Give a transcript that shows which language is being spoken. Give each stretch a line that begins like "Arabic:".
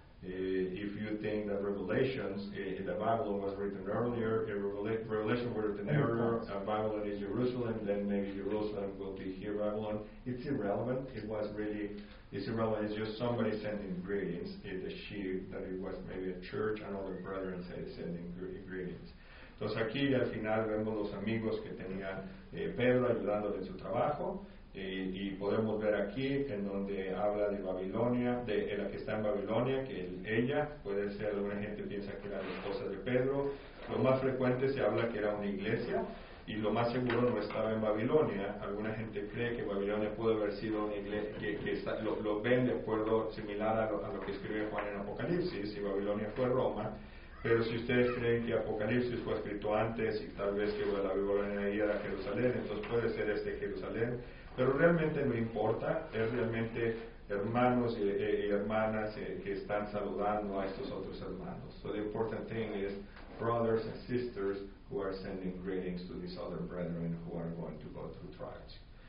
English: If you think that Revelations, that Babylon was written earlier, Revelation was written earlier, and Babylon is Jerusalem, then maybe Jerusalem will be here, Babylon. It's irrelevant. It's irrelevant. It's just somebody sending greetings. It was maybe a church, and other brethren sending greetings.
Spanish: Entonces aquí al final vemos los amigos que tenía Pedro ayudándole en su trabajo. Y podemos ver aquí en donde habla de Babilonia, de la que está en Babilonia, que ella puede ser, alguna gente piensa que era la esposa de Pedro. Lo más frecuente se habla que era una iglesia, y lo más seguro no estaba en Babilonia. Alguna gente cree que Babilonia pudo haber sido una iglesia, que lo ven de acuerdo similar a lo que escribe Juan en Apocalipsis, y Babilonia fue Roma. Pero si ustedes creen que Apocalipsis fue escrito antes, y tal vez que la Babilonia era Jerusalén, entonces puede ser este Jerusalén. Pero realmente no importa, es realmente hermanos y hermanas que están saludando a estos otros hermanos.
English: So the important thing is brothers and sisters who are sending greetings to these other brethren who are going to go through trials.